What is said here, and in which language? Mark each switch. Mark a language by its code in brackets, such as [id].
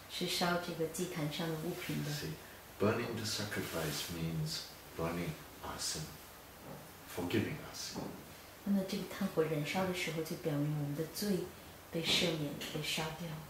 [zh] 是烧这个祭坛上的物品的, [en] see, burning the sacrifice means burning our sin, forgiving us. [zh] 那么这个炭火燃烧的时候就表明我们的罪被赦免被烧掉。